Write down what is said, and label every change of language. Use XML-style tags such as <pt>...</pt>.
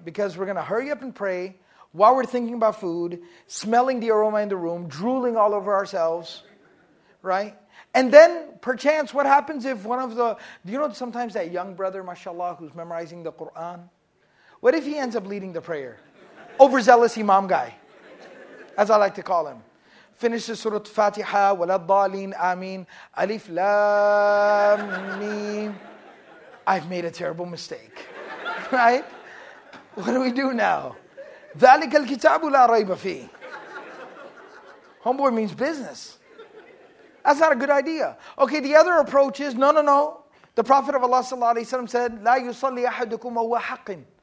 <en>Because we're going to hurry up and pray while we're thinking about food, smelling the aroma in the room, drooling all over ourselves, right? And then, perchance, what happens if one of the... Do you know sometimes that young brother, mashallah, who's memorizing the Qur'an? What if he ends up leading the prayer? Overzealous imam guy, as I like to call him. Finishes Surah Fatiha,</en> <ar>وَلَا الضَّالِينَ آمِينَ أَلِفْ لَمْ مِيمْ.</ar> <en>I've made a terrible mistake. Right? What do we do now?</en> <ar>ذَلِكَ الْكِتَابُ لَا رَيْبَ فِيهِ.</ar> <en>Homeboy means business. That's not a good idea. Okay, the other approach is, no. The Prophet of Allah sallallahu alayhi wa sallam said,</en> <ar>لا يصلي أحدكم وهو حق.</ar>